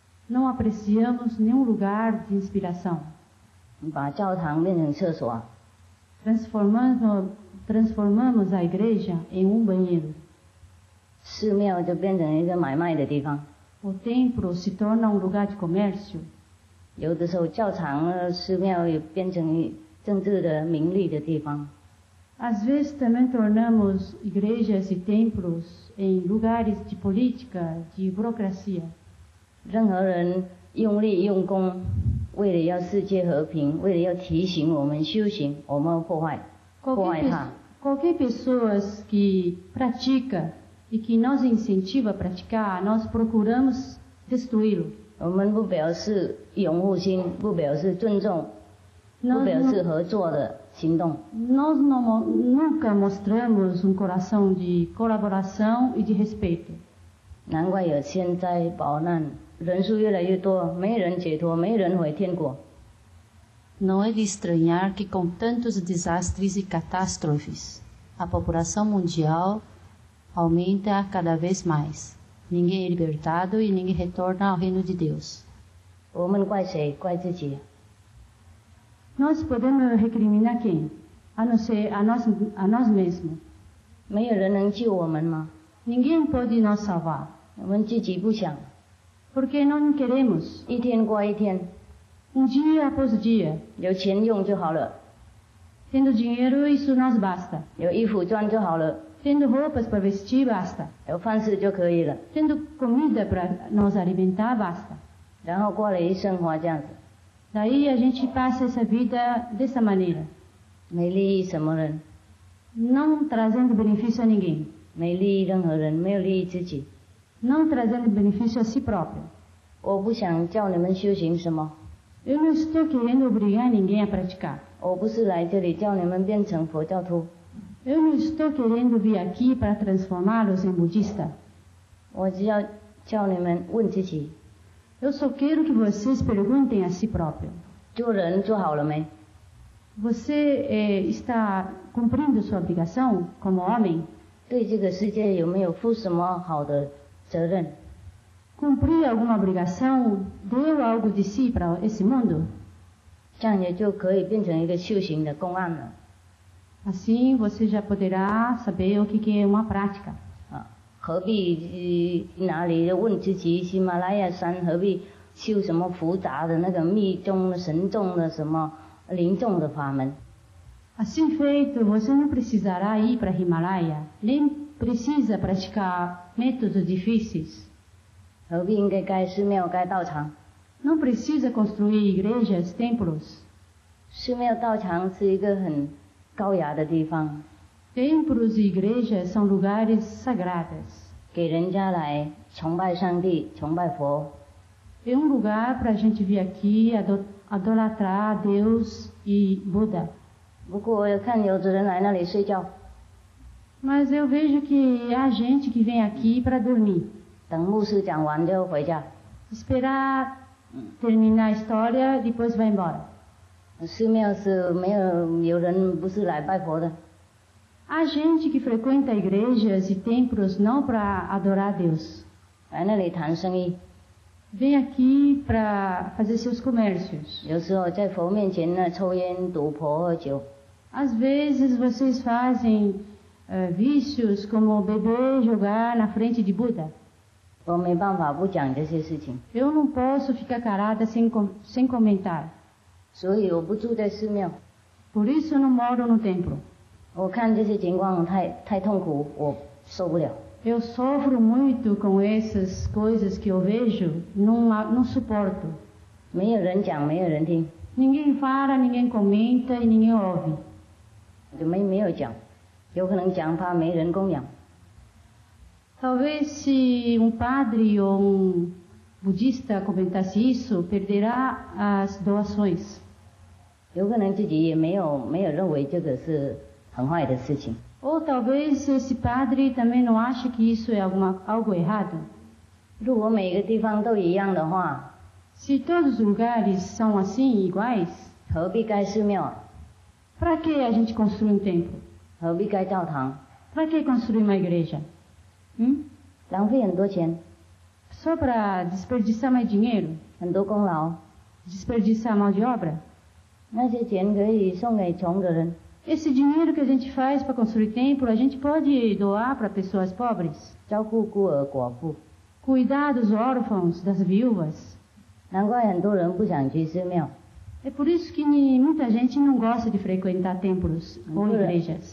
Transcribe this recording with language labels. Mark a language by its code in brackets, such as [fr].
[pt] Não apreciamos nenhum lugar de inspiração. [zh] 把教堂变成厕所。 [pt] Transformamos a igreja em um banheiro. [zh] 寺庙就变成一个买卖的地方。 [pt] O templo se torna um lugar de comércio. [zh] 有的时候教堂寺庙也变成政治的名利的地方。 [pt] Às vezes também tornamos igrejas e templos em lugares de política, de burocracia. [zh] 任何人用力用功，为了要世界和平，为了要提醒我们修行，我们破坏，破坏它。 [pt] Qualquer pessoa que pratica e que nos incentiva a praticar, nós procuramos destruí-lo. [zh] 我们不表示拥护心，不表示尊重，不表示合作的行动。 [pt] Nós nunca mostramos coração de colaboração e de respeito. [zh] 难怪有天灾宝难，人数越来越多，没人解脱，没人回天国。 [pt] Não é de estranhar que com tantos desastres e catástrofes, a população mundial aumenta cada vez mais. Ninguém é libertado e ninguém retorna ao reino de Deus. [zh] 我们怪谁？怪自己。 [pt] Nós podemos recriminar quem? A não ser a nós mesmos. [zh] 没有人能救我们吗？ [pt] Ninguém pode nos salvar. [zh] 我们自己不想。 [pt] Porque não queremos. [zh] 一天过一天。 [pt] Um dia após dia. [zh] 有钱用就好了。 [pt] Tendo dinheiro, isso nos basta. [zh] 有衣服穿就好了。 [pt] Tendo roupas para vestir, basta. [zh] 有饭吃就可以了。 [pt] Tendo comida para nos alimentar, basta. [zh] 然后过了一生活这样子。 [pt] Daí a gente passa essa vida dessa maneira. [zh] 没利益什么人。 [pt] Não trazendo benefício a ninguém. [zh] 没利益任何人，没有利益自己。 [pt] Não trazendo benefício a si próprio. [zh] 我不想叫你们修行什么。 [pt] Eu não estou querendo obrigar ninguém a praticar. [zh] 我不是来这里叫你们变成佛教徒。 [pt] Eu não estou querendo vir aqui para transformá-los em budista. [zh] 我只要叫你们问自己。 [pt] Eu só quero que vocês perguntem a si próprio. [zh] 做人做好了没？ [pt] Você está cumprindo sua obrigação como homem? [zh] 对这个世界有没有负什么好的责任？ [pt] Cumprir alguma obrigação deu algo de si para esse mundo? [zh] 这样也就可以变成一个修行的公案了。 [pt] Assim você já poderá saber o que é uma prática. [zh] 何必哪里问自己喜马拉雅山何必修什么复杂的那个密宗神宗的什么临众的法门。 [pt] Assim feito, você não precisará ir para a Himalaya, nem precisa praticar métodos difíceis. [zh] 何必应该盖寺庙盖道场 [pt] Não precisa construir igrejas, templos. [zh] 寺庙道场是一个很高雅的地方。 [pt] Templos e igrejas são lugares sagrados. [zh] 给人家来崇拜上帝崇拜佛。 [pt] É um lugar para a gente vir aqui adorar Deus e Buda. [zh] 不过我看有的人来那里睡觉。 [pt] Mas eu vejo que há gente que vem aqui para dormir. [zh] 等牧师讲完就回家。 [pt] Esperar terminar a história, depois vai embora. [zh] 寺庙是没有有人不是来拜佛的。 [pt] Há gente que frequenta igrejas e templos não para adorar Deus. [zh] 来那里谈生意。 [pt] Vem aqui para fazer seus comércios. [zh] 有时候在佛面前呢抽烟、赌博、喝酒。 [pt] Às vezes vocês fazem vícios como beber e jogar na frente de Buda. [zh] 我没办法不讲这些事情。 [pt] Eu não posso ficar calada sem comentar. [zh] 所以我不住在寺庙。 [pt] Por isso não moro no templo. [zh] 我看这些情况太痛苦，我受不了。 [pt] Eu sofro muito com essas coisas que eu vejo, não suporto. [zh] 没有人讲，没有人听。 [pt] Ninguém fala, ninguém comenta e ninguém ouve. [zh] 就没有讲，有可能讲怕没人供养。 [pt] Talvez se padre ou budista comentasse isso, perderá as doações. [zh] 有可能自己也没有认为这个是很坏的事情。 [pt] Ou talvez esse padre também não ache que isso é algo errado. [zh] 如果每个地方都一样的话， [pt] Se todos os lugares são assim, iguais, [zh] 何必盖寺庙？ [pt] Para que a gente construir um templo? [zh] 何必盖教堂？ [pt] Para que construir uma igreja? [zh] 浪费很多钱。 [pt] Só para desperdiçar mais dinheiro? [zh] 很多功劳。 [pt] Desperdiçar mão de obra? [zh] 那些钱可以送给穷的人。 [pt] Esse dinheiro que a gente faz para construir templo, a gente pode doar para pessoas pobres? [zh] 照顾孤儿寡妇。 [pt] Cuidar dos órfãos, das viúvas? É por isso que muita gente não gosta de frequentar templos ou igrejas.